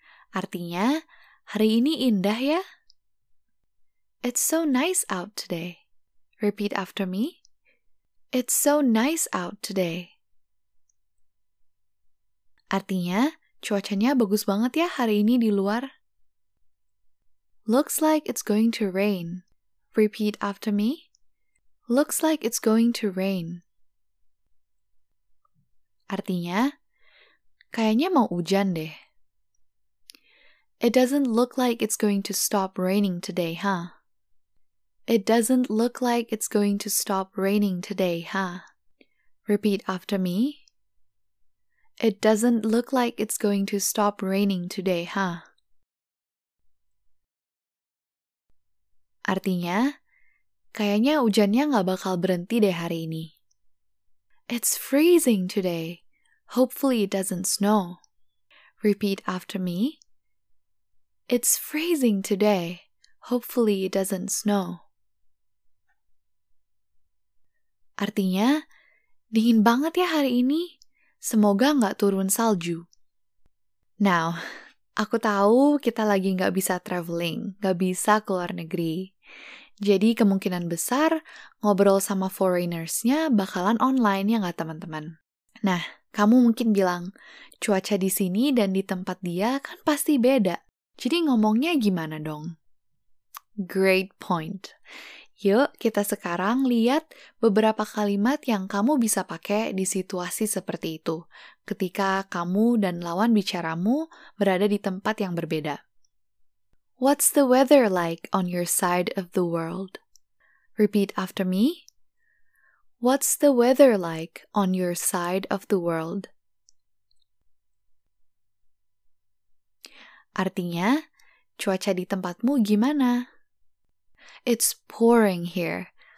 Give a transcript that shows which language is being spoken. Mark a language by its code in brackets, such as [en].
[id] Artinya, hari ini indah ya? [en] It's so nice out today. Repeat after me. It's so nice out today. [id] Artinya, cuacanya bagus banget ya hari ini di luar. [en] Looks like it's going to rain. Repeat after me. Looks like it's going to rain. [id] Artinya, kayaknya mau hujan deh. [en] It doesn't look like it's going to stop raining today, huh? It doesn't look like it's going to stop raining today, huh? Repeat after me. It doesn't look like it's going to stop raining today, huh? [id] Artinya, kayaknya hujannya nggak bakal berhenti deh hari ini. [en] It's freezing today. Hopefully it doesn't snow. Repeat after me. It's freezing today. Hopefully it doesn't snow. [id] Artinya, dingin banget ya hari ini. Semoga nggak turun salju. Now, aku tahu kita lagi nggak bisa traveling, nggak bisa keluar negeri. Jadi kemungkinan besar ngobrol sama foreigners-nya bakalan online, ya nggak teman-teman? Nah, kamu mungkin bilang, cuaca di sini dan di tempat dia kan pasti beda. Jadi ngomongnya gimana dong? [en] Great point. [id] Yuk, kita sekarang lihat beberapa kalimat yang kamu bisa pakai di situasi seperti itu, ketika kamu dan lawan bicaramu berada di tempat yang berbeda. [en] What's the weather like on your side of the world? Repeat after me. What's the weather like on your side of the world? [id] Artinya, cuaca di tempatmu gimana? [en] It's pouring here.